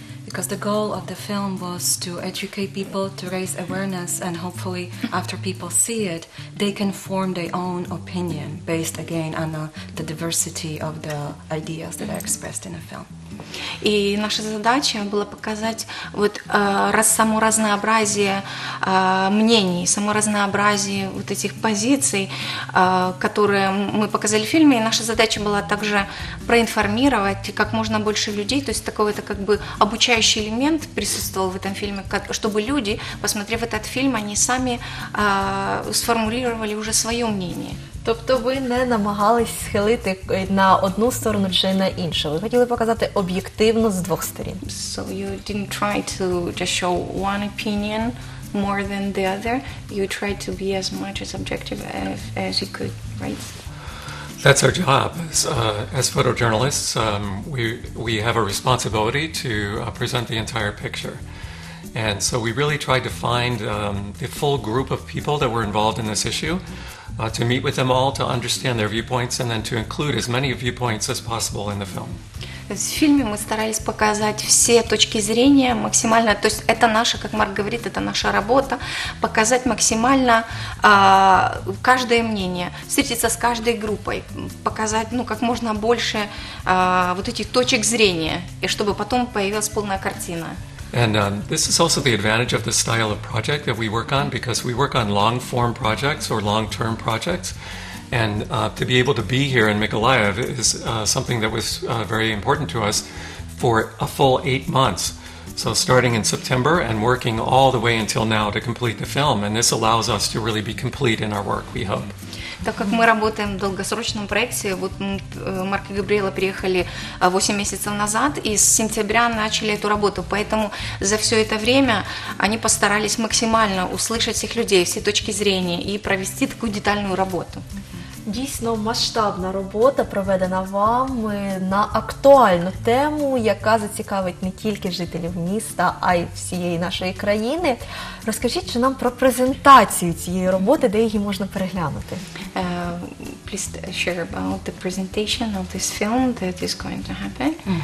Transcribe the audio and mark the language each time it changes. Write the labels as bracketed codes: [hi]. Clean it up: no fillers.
[en] Because the goal of the film was to educate people, to raise awareness, and hopefully after people see it, they can form their own opinion based again on the diversity of the ideas that are expressed in a film. [ru] И наша задача была показать вот само разнообразие мнений, само разнообразие вот этих позиций, которые мы показали в фильме. И наша задача была также проинформировать как можно больше людей, то есть такой вот как бы обучающий элемент присутствовал в этом фильме, чтобы люди, посмотрев этот фильм, они сами сформулировали уже свое мнение. [uk] Тобто ви не намагались схилити на одну сторону чи на іншу. Ви хотіли показати об'єктивно з двох сторін. [en] So you didn't try to just show one opinion more than the other. You tried to be as much as objective as you could, right? That's our job as photojournalists. We have a responsibility to present the entire picture. And so we really tried to find the full group of people that were involved in this issue. To meet with them all, to understand their viewpoints, and then to include as many viewpoints as possible in the film. [ru] В фильме мы старались показать все точки зрения максимально, то есть это наша, как Марк говорит, это наша работа, показать максимально каждое мнение, встретиться с каждой группой, показать как можно больше вот этих точек зрения, и чтобы потом появилась полная картина. [en] And this is also the advantage of the style of project that we work on, because we work on long-form projects or long-term projects, and to be able to be here in Mykolaiv is something that was very important to us for a full 8 months. So starting in September and working all the way until now to complete the film, and this allows us to really be complete in our work, we hope. [ru] Так как мы работаем в долгосрочном проекте, вот Марк и Габриэла приехали 8 месяцев назад и с сентября начали эту работу, поэтому за все это время они постарались максимально услышать всех людей, все точки зрения и провести такую детальную работу. [uk] Дійсно, масштабна робота проведена вами на актуальну тему, яка зацікавить не тільки жителів міста, а й всієї нашої країни. Розкажіть же нам про презентацію цієї роботи, де її можна переглянути. [en] Please share about the presentation of this film that is going to happen.